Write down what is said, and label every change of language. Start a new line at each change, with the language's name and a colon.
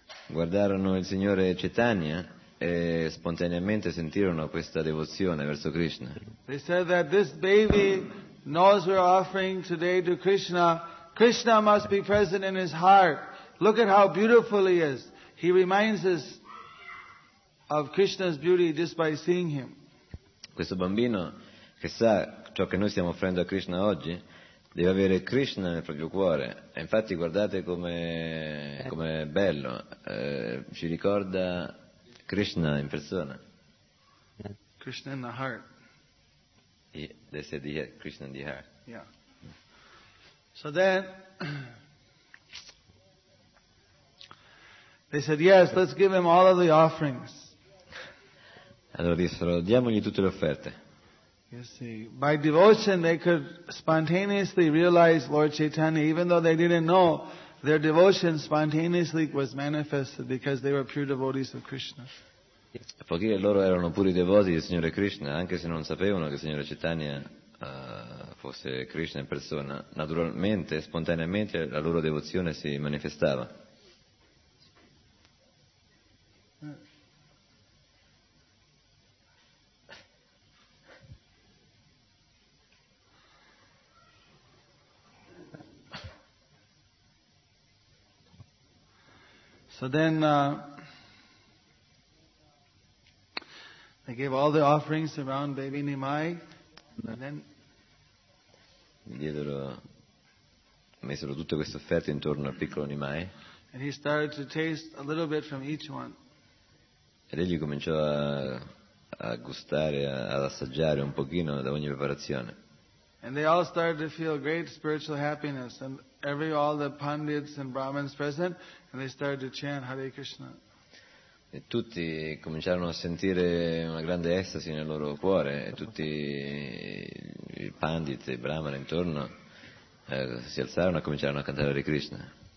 Italian: Guardarono il signore Chaitanya e spontaneamente sentirono questa devozione verso Krishna.
English: They said that this baby knows we're offering today to Krishna. Krishna must be present in his heart. Look at how beautiful he is. He reminds us of Krishna's beauty just by seeing him.
Italian: Questo bambino che sa ciò che noi stiamo offrendo a Krishna oggi deve avere Krishna nel proprio cuore. E infatti guardate come è bello. Ci ricorda Krishna in persona.
English: Krishna in the heart. They said Krishna in the heart. Yeah. So then they said, yes, let's give him all of the offerings.
Italian: Allora dissero, diamogli tutte le offerte.
English: You see, by devotion they could spontaneously realize Lord Chaitanya, even though they didn't know, their devotion spontaneously was manifested because they were pure devotees of Krishna.
Italian: Poiché loro erano puri devoti del Signore Krishna, anche se non sapevano che il Signore Chaitanya fosse Krishna in persona, naturalmente, spontaneamente, la loro devozione si manifestava.
English: So then they gave all the offerings around baby Nimai and then
Italian: Misero tutte queste offerte intorno al piccolo Nimai.
English: And he started to taste a little bit from each one.
Italian: Ed egli cominciò a gustare, ad assaggiare un pochino da ogni preparazione.
English: And they all started to feel great spiritual happiness and all the pandits and brahmins present and they started to chant Hare Krishna.
Italian: E tutti cominciarono a sentire una grande estasi nel loro cuore e tutti i pandit e i brahmana intorno si alzarono e cominciarono a cantare Hare Krishna.